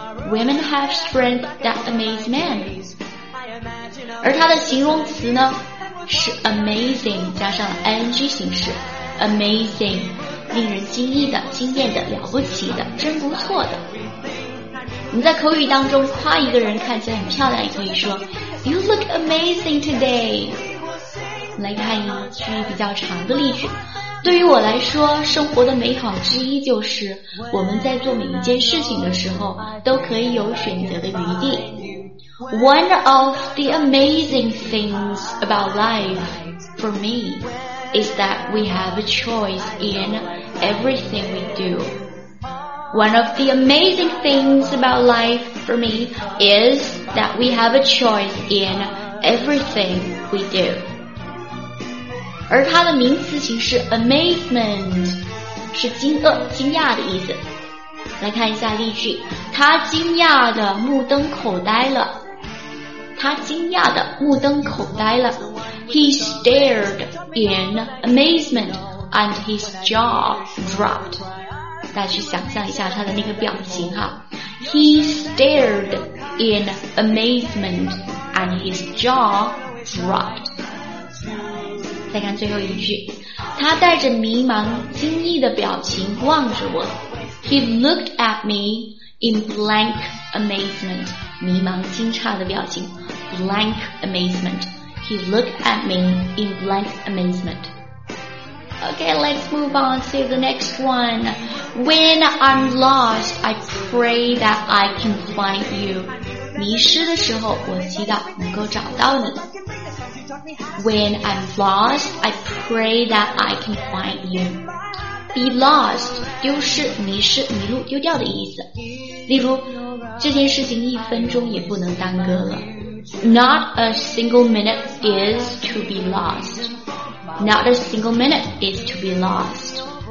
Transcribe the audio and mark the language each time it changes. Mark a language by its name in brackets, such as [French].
[English] Women have strength that amaze men. [Chinese] 而它的形容词呢是 amazing 加上 ing 形式 amazing 令人惊异的惊艳的了不起的真不错的你在口语当中夸一个人看起来很漂亮也可以说 [English] You look amazing today [Chinese] 来看一句比较长的例句对于我来说，生活的美好之一就是我们在做每一件事情的时候都可以有选择的余地。 [English] One of the amazing things about life for me is that we have a choice in everything we do. One of the amazing things about life for me is that we have a choice in everything we do. [Chinese] 而它的名词形式 amazement 是惊愕、惊讶的意思。来看一下例句，他惊讶的目瞪口呆了。他惊讶的目瞪口呆了。 [English] He stared in amazement and his jaw dropped. [Chinese] 大家去想象一下他的那个表情哈。 [English] He stared in amazement and his jaw dropped. [Chinese] 再看最后一句，他带着迷茫惊异的表情望着我。 [English] He looked at me in blank amazement. [Chinese] 迷茫惊诧的表情， blank amazement. [English] He looked at me in blank amazement. Okay, let's move on to the next one. When I'm lost, I pray that I can find you. [Chinese] 迷失的时候，我祈祷能够找到你。 [English] When I'm lost, I pray that I can find you. [Chinese] Be lost, 丢失、迷失、迷路、丢掉的意思。例如，这件事情一分钟也不能耽搁了。 [English] Not a single minute is to be lost. Not a single minute is to be lost.